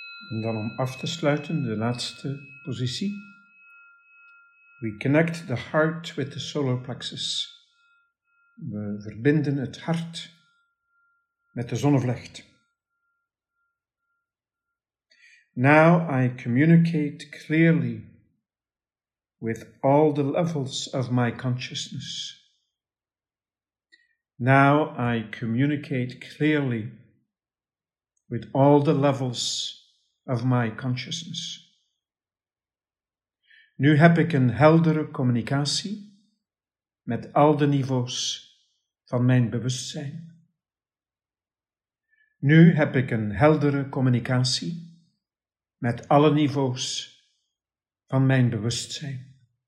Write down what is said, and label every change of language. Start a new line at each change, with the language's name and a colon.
Dutch: En dan om af te sluiten, de laatste positie.
English: We connect the heart with the solar plexus.
Dutch: We verbinden het hart met de zonnevlecht.
English: Now I communicate clearly with all the levels of my consciousness. Now I communicate clearly with all the levels of my consciousness.
Dutch: Nu heb ik een heldere communicatie met al de niveaus van mijn bewustzijn. Nu heb ik een heldere communicatie met alle niveaus van mijn bewustzijn.